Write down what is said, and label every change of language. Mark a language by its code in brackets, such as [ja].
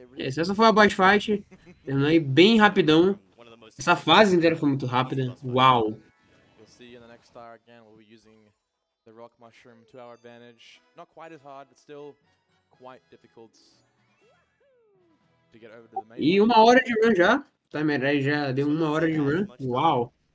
[pt] Se essa foi a boss fight, terminou aí bem rapidão. Essa fase inteira foi muito rápida. Uau! [en] We'll see you in the next star again. We'll be using the rock mushroom to our advantage. Not quite as hard, but still quite difficult to get over to the main. [pt] E uma hora de run já. Timer aí já deu uma hora de run. Uau!